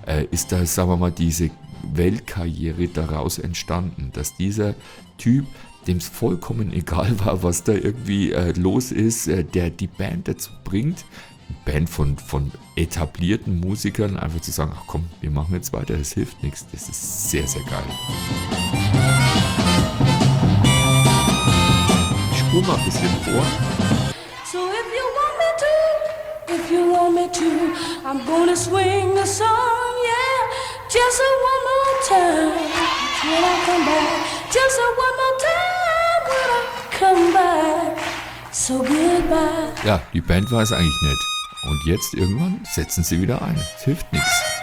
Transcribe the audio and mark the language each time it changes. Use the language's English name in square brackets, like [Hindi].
[German] ist da, sagen wir mal, diese Weltkarriere daraus entstanden, dass dieser Typ, dem es vollkommen egal war, was da irgendwie los ist, der die Band dazu bringt, Band von etablierten Musikern einfach zu sagen, ach komm, wir machen jetzt weiter, das hilft nichts, das ist sehr, sehr geil. Ich spule mal ein bisschen vor. [English] So if you want me to, if you want me to, I'm gonna swing a song, yeah, just a one more time, when I come back, just a one more time, when I come back, so goodbye. [German] Ja, die Band war es eigentlich nicht. Und jetzt irgendwann setzen sie wieder ein. Es hilft nichts.